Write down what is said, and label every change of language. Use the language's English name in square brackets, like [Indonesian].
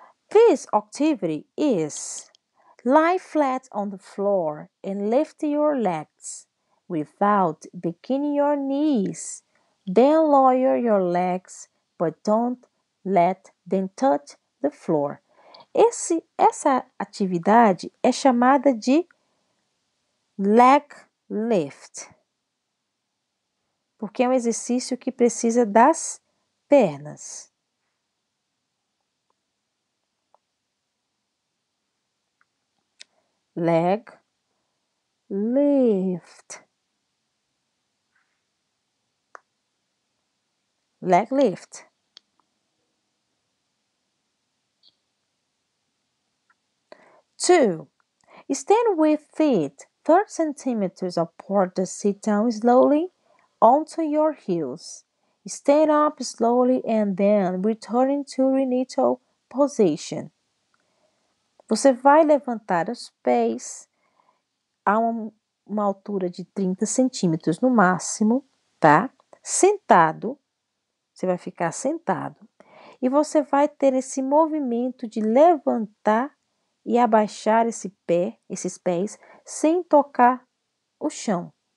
[English] This activity is lie flat on the floor and lift your legs. Without bending your knees, then lower your legs, but don't let them touch the floor. [Portuguese] Essa atividade é chamada de leg lift, porque é um exercício que precisa das pernas. [English] Leg lift. Leg lift. Two. Stand with feet 30 centimeters apart to sit down slowly onto your heels. Stand up slowly and then return to initial position. [Portuguese] Você vai levantar os pés a uma altura de 30 centímetros no máximo, tá? Sentado. Você vai ficar sentado. E você vai ter esse movimento de levantar e abaixar esse pé, esses pés, sem tocar o chão.